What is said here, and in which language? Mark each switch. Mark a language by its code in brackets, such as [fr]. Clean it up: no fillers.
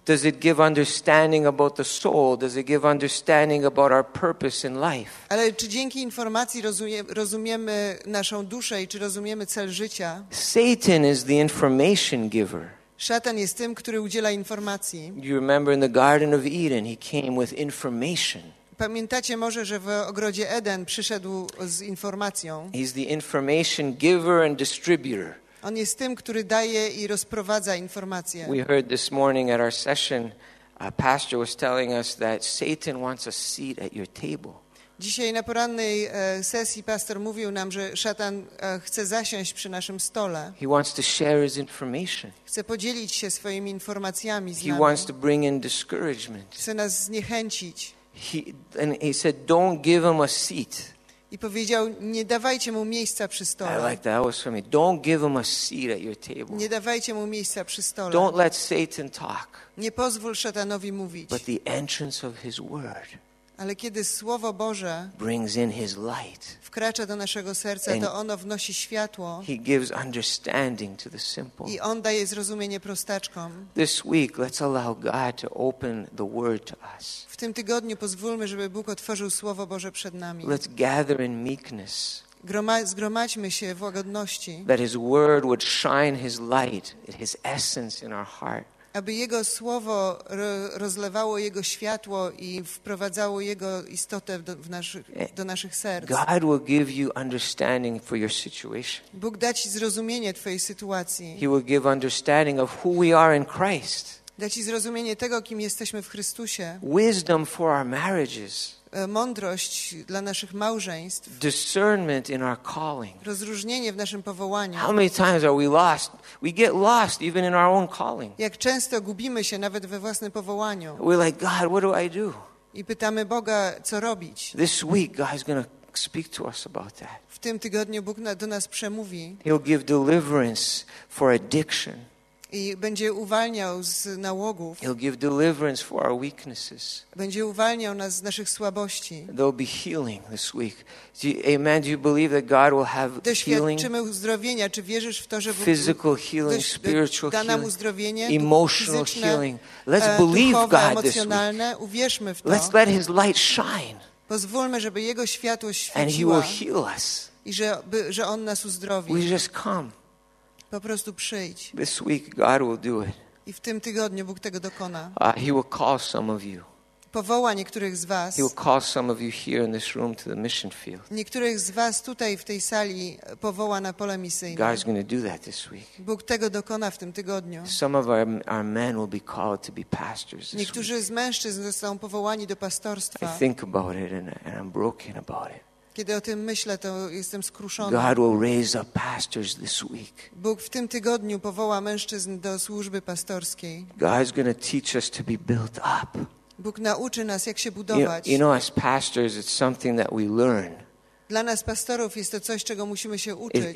[en] Does it give understanding about the soul? Does it give understanding about our purpose in life? [pl] Ale czy dzięki informacji rozumiemy naszą duszę i czy rozumiemy cel życia? [en] Satan is the information giver. [pl] Szatan jest tym, który udziela informacji. [en] You remember in the Garden of Eden, he came with information. [pl] Pamiętacie może, że w ogrodzie Eden przyszedł z informacją. [en] He's the information giver and distributor. [pl] On jest tym, który daje i rozprowadza informacje. [en] We heard this morning at our session, a pastor was telling us that Satan wants a seat at your table. [pl] Dzisiaj na porannej sesji pastor mówił nam, że szatan chce zasiąść przy naszym stole. [en] He wants to share his information. [pl] Chce podzielić się swoimi informacjami z nami. [en] He wants to bring in discouragement. [pl] Chce nas zniechęcić. [en] He said, don't give him a seat. [pl] I powiedział, nie dawajcie mu miejsca przy stole. [en] I like that. That was for me. Don't give him a seat at your table. [pl] Nie dawajcie mu miejsca przy stole. [en] Don't let Satan talk. [pl] Nie pozwól szatanowi mówić. [en] But the entrance of his word. [pl] Ale kiedy Słowo Boże [en] brings in his light, [pl] wkracza do naszego serca, to ono wnosi światło. [en] He gives understanding to the simple. [pl] I on daje zrozumienie prostaczkom. [en] This week, let's allow God to open the word to us. [pl] W tym tygodniu pozwólmy, żeby Bóg otworzył Słowo Boże przed nami. [en] Let's gather in meekness. [pl] Zgromadźmy się w łagodności. [en] That his word would shine his light, his essence in our heart. [pl] Aby Jego Słowo rozlewało Jego światło i wprowadzało Jego istotę do naszych serc. [en] God will give you understanding for your situation. [pl] Bóg da Ci zrozumienie Twojej sytuacji. [en] He will give understanding of who we are in Christ. [pl] Da Ci zrozumienie tego, kim jesteśmy w Chrystusie. [en] Wisdom for our marriages. [pl] Mądrość dla naszych małżeństw. [en] Discernment in our calling. [pl] Rozróżnienie w naszym powołaniu. [en] How many times are we lost? We get lost even in our own calling. [pl] Jak często gubimy się nawet we własnym powołaniu. [en] We're like, God, what do I do? [pl] I pytamy Boga, co robić. [en] This week God is going to speak to us about that. [pl] W tym tygodniu Bóg do nas przemówi. [en] He'll give deliverance for addiction. [pl] I będzie uwalniał z nałogów. [en] He'll give deliverance for our weaknesses. [pl] Będzie uwalniał nas z naszych słabości. [en] There'll be healing this week. Amen. Do you believe that God will have healing? [pl] Doświadczymy uzdrowienia. Czy wierzysz w to, że Bóg [en] physical healing, spiritual [pl] da nam uzdrowienie, [en] healing, emotional [pl] fizyczne, [en] healing. Let's believe [pl] duchowe, [en] God [pl] emocjonalne. [en] This week. [pl] Uwierzmy w to. [en] Let's let his light shine. [pl] Pozwólmy, żeby jego światło świeciło. [en] And he will heal us. [pl] I że on nas uzdrowi. [en] We just come. [pl] Po prostu przyjdź. [en] This week God will do it. [pl] I w tym tygodniu Bóg tego dokona. [en] He will call some of you. [pl] Powoła niektórych z was. [en] He will call some of you here in this room to the mission field. [pl] Niektórych z was tutaj w tej sali powoła na pole misyjne. [en] God is going to do that this week. [pl] Bóg tego dokona w tym tygodniu. [en] Some of our men will be called to be pastors. [pl] Niektórzy z mężczyzn zostaną powołani do pastorstwa. [en] I think about it and I'm broken about it. [pl] Kiedy o tym myślę, to jestem skruszony. [en] God will raise up pastors this week. [pl] Bóg w tym tygodniu powoła mężczyzn do służby pastorskiej. [en] God is going to teach us to be built up. [pl] Bóg nauczy nas, jak się budować. [en] You know, as pastors, it's something that we learn. [pl] Dla nas pastorów jest to coś, czego musimy się uczyć.